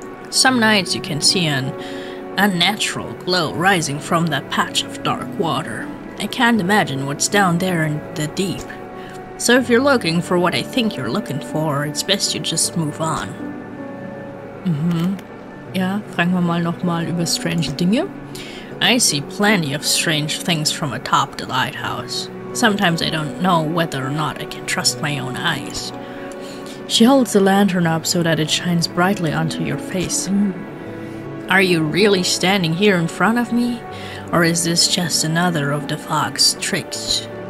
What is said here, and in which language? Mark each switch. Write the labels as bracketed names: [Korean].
[English] Some nights you can see an unnatural glow rising from that patch of dark water. I can't imagine what's down there in the deep. So if you're looking for what I think you're looking for, it's best you just move on. [German] Ja, fragen wir mal nochmal über strange Dinge. [English] I see plenty of strange things from atop the lighthouse. Sometimes I don't know whether or not I can trust my own eyes. She holds the lantern up so that it shines brightly onto your face. Are you really standing here in front of me? Or is this just another of the fog's tricks?